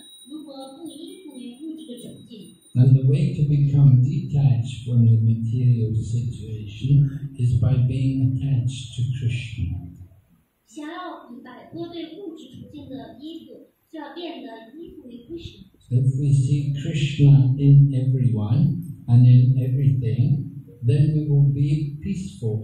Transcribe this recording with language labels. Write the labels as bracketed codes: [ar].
[zh] 如何不依附于物质的窘境？ [en] And the way to become detached from the material situation is by being attached to Krishna. [zh] 想要摆脱对物质窘境的依附，就要变得依附于 Krishna. [en] If we see Krishna in everyone and in everything, then we will be peaceful.